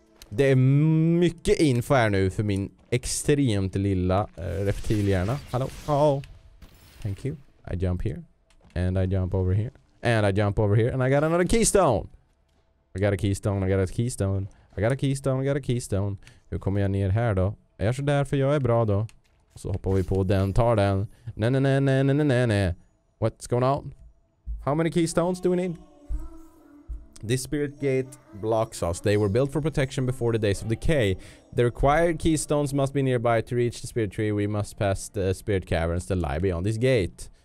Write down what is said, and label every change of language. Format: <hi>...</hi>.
<sv>Det är mycket info här nu för min extremt lilla reptilhjärna. Hallå? Oh.</sv> <en>Thank you. I jump here. And I jump over here. And I jump over here and I got another keystone. I got a keystone.</en> <sv>Hur kommer jag ner här då? Är jag så där för jag är bra då? Så hoppar vi på den, tar den.</sv> <en>Nej. What's going on? How many keystones do we need? This spirit gate blocks us. They were built for protection before the days of decay. The required keystones must be nearby to reach the spirit tree. We must pass the spirit caverns that lie beyond this gate.</en>